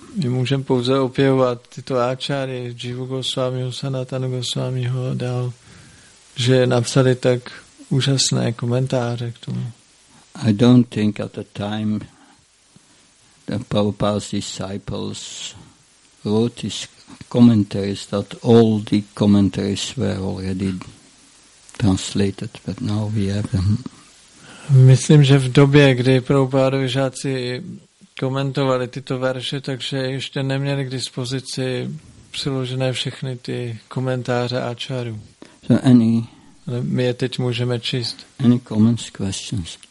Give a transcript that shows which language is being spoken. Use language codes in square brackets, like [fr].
[cs] My můžeme pouze opěvovat tyto acharyas, Jiva Goswami, Sanatana Goswami ho dal, že napsali tak úžasné komentáře k tomu. [en] I don't think at the time the Prabhupada's disciples wrote his commentaries that all the commentaries were already translated, but now we have them. [cs] Myslím, že v době, kdy Prabhupádovi žáci komentovali tyto verše, takže ještě neměli k dispozici přiložené všechny ty komentáře áčárů. Ale my je teď můžeme číst. [en] Any comments, questions?